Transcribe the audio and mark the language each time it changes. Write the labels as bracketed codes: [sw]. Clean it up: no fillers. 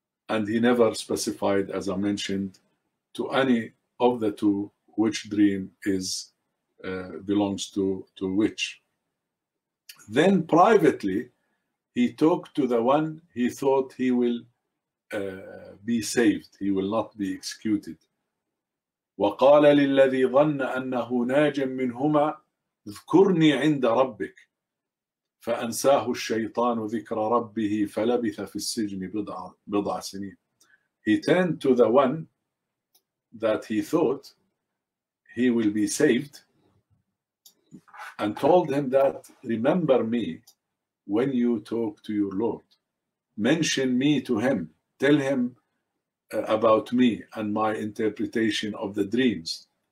[en] And he never specified, as I mentioned, to any of the two which dream is belongs to which. Then privately he talked to the one he thought he will be saved, he will not be executed. [ar] وَقَالَ لِلَّذِي ظَنَّ أَنَّهُ نَاجٍ مِّنْهُمَا اذْكُرْنِي عِنْدَ رَبِّكَ فأنساه الشيطان ذكر ربه فلبث في السجن بضع سنين. [en] He turned to the one that he thought he will be saved and told him that, remember me when you talk to your Lord. Mention me to him. Tell him about me and my interpretation of the dreams.